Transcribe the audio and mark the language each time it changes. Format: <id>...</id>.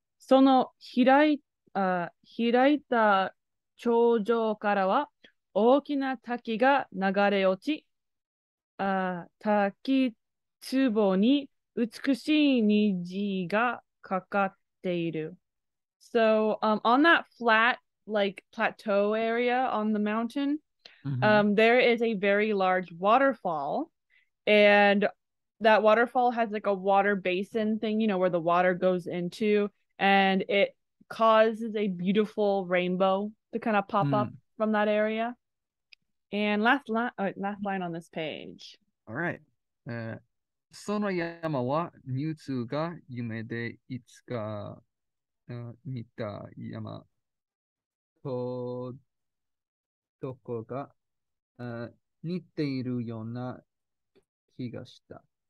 <ja>その開い、開いた頂上からは大きな滝が流れ落ち、滝壺に美しい虹がかかっている。</ja> <en>So, on that flat, like, plateau area on the mountain, there is a very large waterfall, and that waterfall has, like, a water basin thing, you know, where the water goes into, and it causes a beautiful rainbow to kind of pop up from that area. And last line on this page. All right.</en> <ja>その山は、ミュウツーが夢でいつか見た山とどこが似ているような気がした。</ja>